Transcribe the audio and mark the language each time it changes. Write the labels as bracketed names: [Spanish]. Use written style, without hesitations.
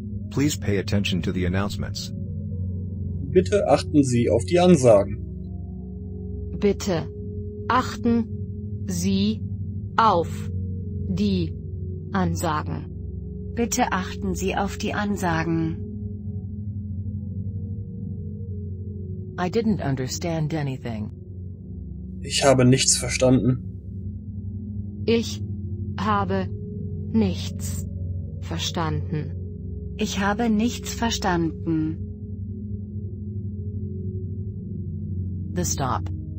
[English] Please pay attention to the announcements. [German] Bitte achten Sie auf die Ansagen. Bitte achten Sie auf die Ansagen. Bitte achten Sie auf die Ansagen. [English] I didn't understand anything. [German] Ich habe nichts verstanden. Ich habe nichts verstanden. Ich habe nichts verstanden. [English] The stop.